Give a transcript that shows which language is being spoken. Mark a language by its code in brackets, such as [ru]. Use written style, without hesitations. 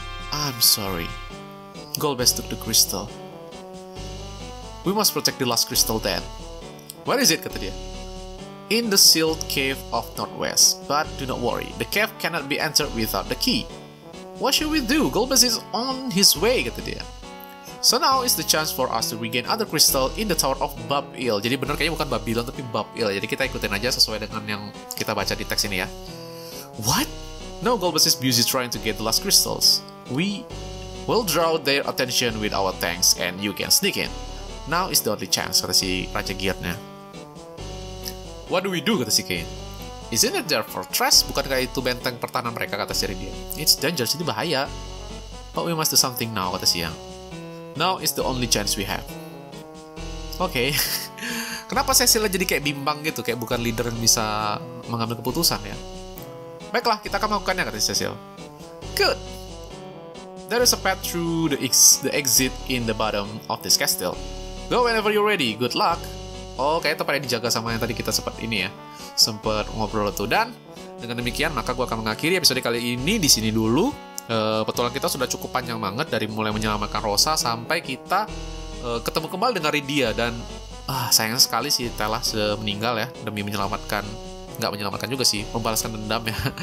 [en] I'm sorry. Golbez took the crystal. We must protect the last crystal then. Where is it, [id] kata dia? [en] In the sealed cave of Northwest. But do not worry, the cave cannot be entered without the key. What should we do? Golbez is on his way, [id] kata dia. [en] So now is the chance for us to regain other crystal in the Tower of Babil. [id] Jadi benar kayaknya bukan Babylon tapi Babil. Jadi kita ikutin aja sesuai dengan yang kita baca di teks ini ya. [en] What? No, Golbez is busy trying to get the last crystals. We will draw their attention with our tanks and you can sneak in. Now is the only chance, [id] kata si Raja Geertnya. [en] What do we do, [id] kata si Kain. [en] Isn't it their fortress? [id] Bukankah itu benteng pertahanan mereka, kata si Ridia. [en] It's dangerous, [id] itu bahaya. [en] But we must do something now, [id] kata si Yang. [en] Now is the only chance we have. [id] Okay. Kenapa Cecilnya jadi kayak bimbang gitu? Kayak bukan leader yang bisa mengambil keputusan ya? Baiklah, kita akan melakukannya, kata Cecil. [en] Good. There is a path through the exit in the bottom of this castle. Go whenever you're ready. Good luck. [id] Oh, kayaknya tempat yang dijaga sama yang tadi kita sempat ini ya. Sempat ngobrol itu. Dan dengan demikian, maka gue akan mengakhiri episode kali ini di sini dulu. Petualangan kita sudah cukup panjang banget. Dari mulai menyelamatkan Rosa sampai kita ketemu kembali dengan Rydia. Dan sayang sekali sih telah meninggal ya. Demi menyelamatkan, nggak menyelamatkan juga sih. Membalaskan dendam ya.